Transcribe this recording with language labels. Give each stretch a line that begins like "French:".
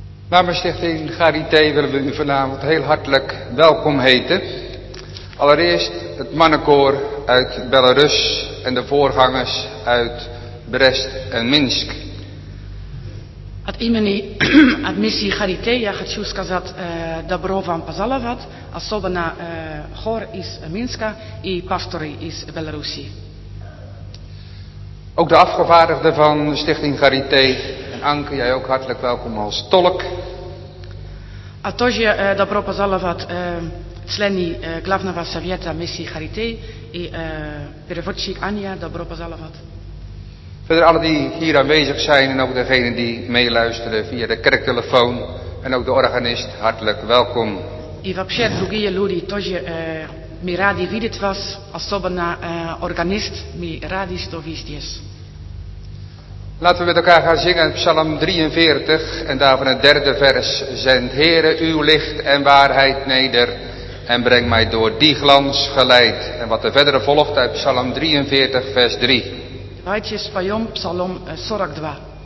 Dutch: Namens Stichting Charité willen we u vanavond heel hartelijk welkom heten. Allereerst het mannenkoor uit Belarus en de voorgangers uit Brest en Minsk.
Russian: От имени от миссии Charité я хочу сказать добро вам пожаловать, особенно хор из Минска и пасторы из Беларуси.
Dutch: Ook de afgevaardigden van Stichting Charité, Anke, jij ook hartelijk welkom als tolk.
Russian: А тоже добро пожаловать члены главного совета миссии Charité и переводчик Аня, добро пожаловать.
Dutch: Verder alle die hier aanwezig zijn en ook degenen die meeluisteren via de kerktelefoon en ook de organist, hartelijk welkom.
Russian: И вообще другие люди тоже мы рады видеть вас, особенно органист, мы рады, что вы здесь.
Dutch: Laten we met elkaar gaan zingen Psalm 43 en daarvan het derde vers. Zend Heere uw licht en waarheid neder en breng mij door die glans geleid. En wat de verdere volgt uit Psalm 43 vers 3.
Russian: Давайте споем Псалом 42.